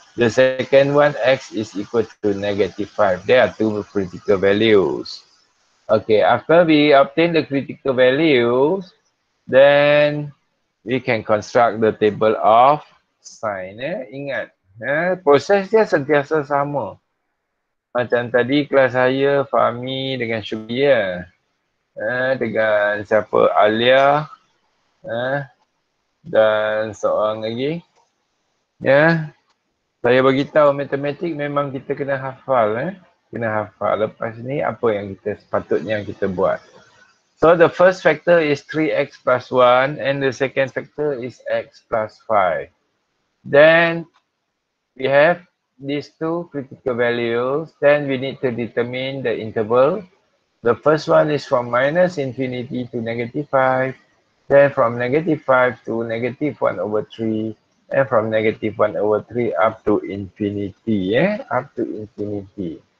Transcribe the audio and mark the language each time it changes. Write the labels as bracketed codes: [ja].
[en] The second one, x is equal to negative 5. There are two critical values. Okay, after we obtain the critical values, then we can construct the table of sign. [ms] Ingat, proses dia sentiasa sama. Macam tadi kelas saya, Fahmi dengan Syubia. Dengan siapa? Alia. Dan seorang lagi. Saya beritahu matematik memang kita kena hafal. Kena hafal. Lepas ni apa yang kita sepatutnya kita buat. [en] So the first factor is 3x plus 1 and the second factor is x plus 5. Then we have these two critical values, then we need to determine the interval. The first one is from minus infinity to negative 5, then from negative 5 to negative 1 over 3, and from negative 1 over 3 up to infinity, up to infinity.